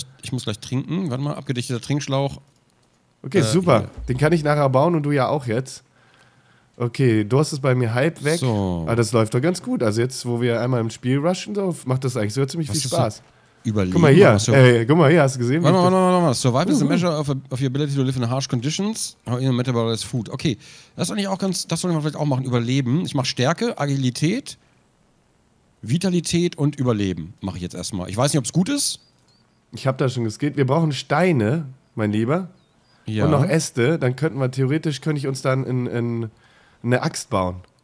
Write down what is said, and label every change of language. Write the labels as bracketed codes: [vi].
[de] Ich muss gleich trinken. Warte mal, abgedichteter Trinkschlauch. Okay, super. Hier. Den kann ich nachher bauen und du ja auch jetzt. Okay, Durst ist bei mir halb weg. So. Ah, das läuft doch ganz gut. Also jetzt, wo wir einmal im Spiel rushen, macht das eigentlich sogar ziemlich viel Spaß. Überleben. Guck mal hier, hast du gesehen? Warte mal. [en] Survival is a measure of your ability to live in harsh conditions or in a metabolized food. [de] Okay, das ist eigentlich auch ganz, das sollte man vielleicht auch machen, überleben. Ich mache Stärke, Agilität. Vitalität und Überleben mache ich jetzt erstmal. Ich weiß nicht, ob es gut ist. Ich habe da schon geskillt. Wir brauchen Steine, mein Lieber. Ja. Und noch Äste. Dann könnte ich uns dann in eine Axt bauen.